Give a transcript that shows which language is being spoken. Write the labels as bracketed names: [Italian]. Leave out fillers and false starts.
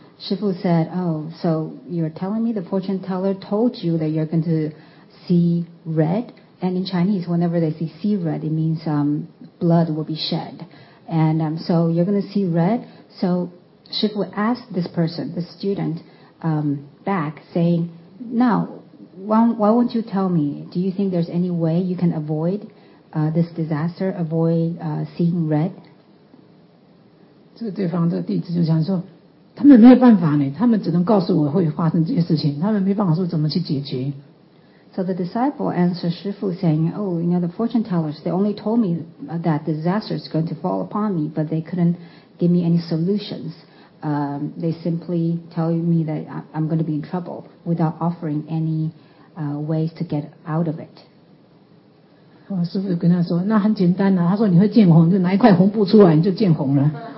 [English] 师父 said, oh, so you're telling me the fortune teller told you that you're going to see red, and in Chinese, whenever they see red, it means blood will be shed, and so you're going to see red. So, Shifu asked this person, this student, back, saying, now, why won't you tell me? Do you think there's any way you can avoid this disaster, avoid seeing red? [Chinese] 这个对方的弟子就想说，他们没有办法呢，他们只能告诉我会发生这些事情，他们没办法说怎么去解决。 [English] So the disciple answered Shifu saying, oh, you know, the fortune tellers, they only told me that disaster is going to fall upon me, but they couldn't give me any solutions. They simply tell me that I'm going to be in trouble without offering any ways to get out of it. [Chinese] 哦、师父跟他说那很简单啊他说你会见红就拿一块红布出来你就见红了。